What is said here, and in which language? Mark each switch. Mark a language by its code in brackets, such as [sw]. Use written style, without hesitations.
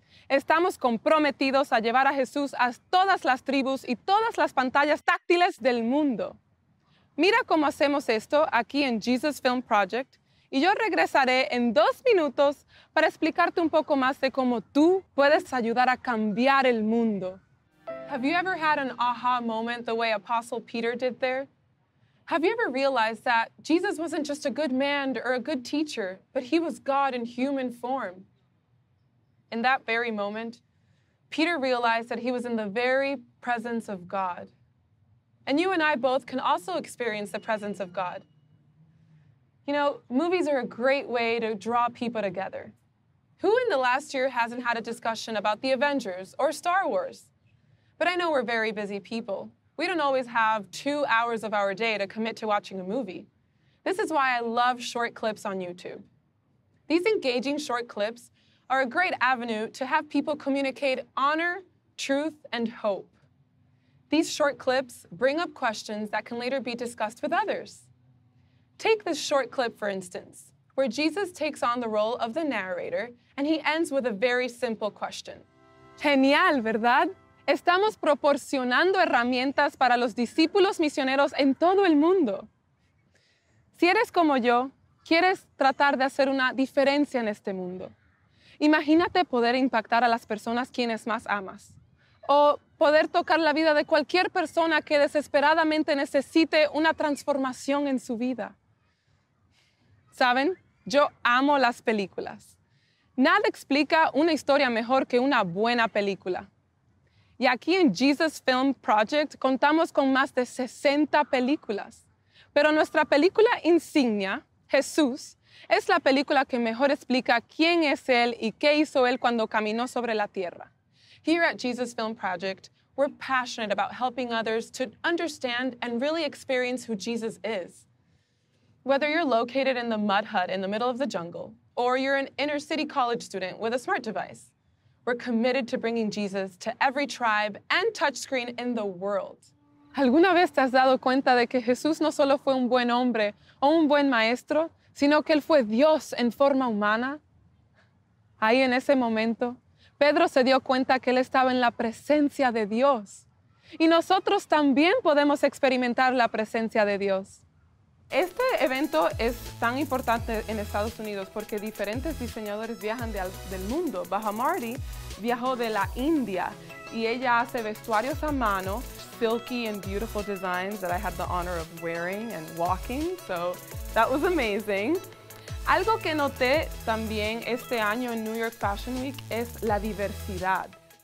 [es] Estamos comprometidos a llevar a Jesús a todas las tribus y todas las pantallas táctiles del mundo. Mira cómo hacemos esto aquí en Jesus Film Project y yo regresaré en 2 minutos para explicarte un poco más de cómo tú puedes ayudar a cambiar el mundo. [en] Have you ever had an aha moment the way Apostle Peter did there? Have you ever realized that Jesus wasn't just a good man or a good teacher, but he was God in human form? In that very moment, Peter realized that he was in the very presence of God. And you and I both can also experience the presence of God. You know, movies are a great way to draw people together. Who in the last year hasn't had a discussion about the Avengers or Star Wars? But I know we're very busy people. We don't always have 2 hours of our day to commit to watching a movie. This is why I love short clips on YouTube. These engaging short clips are a great avenue to have people communicate honor, truth, and hope. These short clips bring up questions that can later be discussed with others. Take this short clip, for instance, where Jesus takes on the role of the narrator, and he ends with a very simple question. [es] Genial, ¿verdad? Estamos proporcionando herramientas para los discípulos misioneros en todo el mundo. Si eres como yo, quieres tratar de hacer una diferencia en este mundo. Imagínate poder impactar a las personas quienes más amas. O poder tocar la vida de cualquier persona que desesperadamente necesite una transformación en su vida. ¿Saben? Yo amo las películas. Nada explica una historia mejor que una buena película. Y aquí en Jesus Film Project contamos con más de 60 películas. Pero nuestra película insignia, Jesús, es la película que mejor explica quién es él y qué hizo él cuando caminó sobre la tierra. [en] Here at Jesus Film Project, we're passionate about helping others to understand and really experience who Jesus is. Whether you're located in the mud hut in the middle of the jungle, or you're an inner city college student with a smart device, we're committed to bringing Jesus to every tribe and touchscreen in the world. [es] ¿Alguna vez te has dado cuenta de que Jesús no solo fue un buen hombre o un buen maestro, sino que él fue Dios en forma humana? Ahí en ese momento, Pedro se dio cuenta que él estaba en la presencia de Dios. Y nosotros también podemos experimentar la presencia de Dios. Este evento es tan importante en Estados Unidos porque diferentes diseñadores viajan del mundo. [en] Bahamardi [es] viajó de la India y ella hace vestuarios a mano, [en] silky and beautiful designs that I had the honor of wearing and walking, so that was amazing. [es] Algo que noté también este año en New York Fashion Week es la diversidad.